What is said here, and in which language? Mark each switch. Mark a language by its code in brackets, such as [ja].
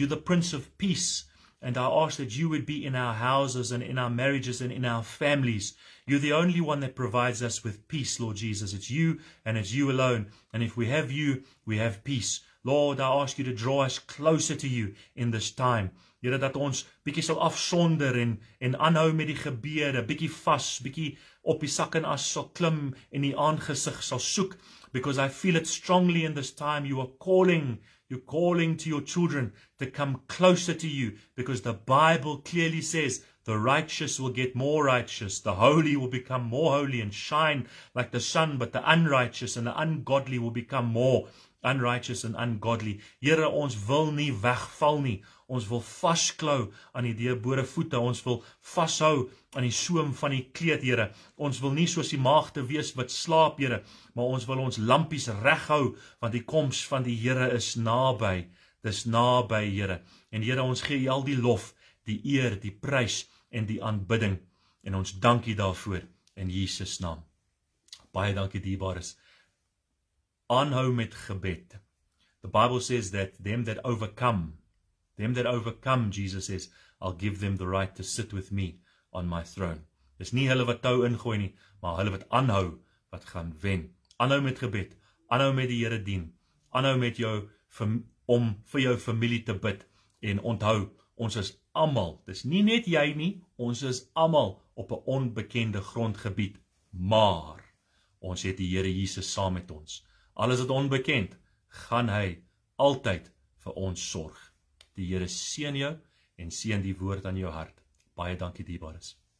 [en] You're the Prince of Peace. And I ask that you would be in our houses and in our marriages and in our families. You're the only one that provides us with peace, Lord Jesus. It's you and it's you alone. And if we have you, we have peace. Lord, I ask you to draw us closer to you in this time. [af] Here, dat ons bietjie sal afsonder en aanhou met die gebede, bietjie vas, bietjie op die sak en as sal klim en die aangesig sal soek. [en] Because I feel it strongly in this time. You're calling to your children to come closer to you, because the Bible clearly says the righteous will get more righteous, the holy will become more holy and shine like the sun, but the unrighteous and the ungodly will become more unrighteous and ungodly. [af] Here, ons wil nie wegval nie. Ons wil vasklou aan die deurbore voete. Ons wil vashou aan die soem van die kleed, Here. Ons wil nie soos die maagde wees wat slaap, Here. Maar ons wil ons lampies reghou, want die koms van die Here is naby. Dis naby, Here. En Here, ons gee al die lof, die eer, die prys en die aanbidding. En ons dankie daarvoor in Jesus naam. Baie dankie, dierbares. Aanhou met gebed. [en] The Bible says that them that overcome, Jesus says, I'll give them the right to sit with me on my throne. [af] Dis nie hulle wat tou ingooi nie, maar hulle wat aanhou, wat gaan wen. Aanhou met gebed, aanhou met die Here dien, aanhou met jou om vir jou familie te bid. En onthou, ons is almal, dis nie net jy nie, ons is almal op 'n onbekende grondgebied, maar ons het die Here Jesus saam met ons. Al is dit onbekend, gaan hy altyd vir ons sorg. Die Here seën jou en seën die woord aan jou hart. Baie dankie, dierbares.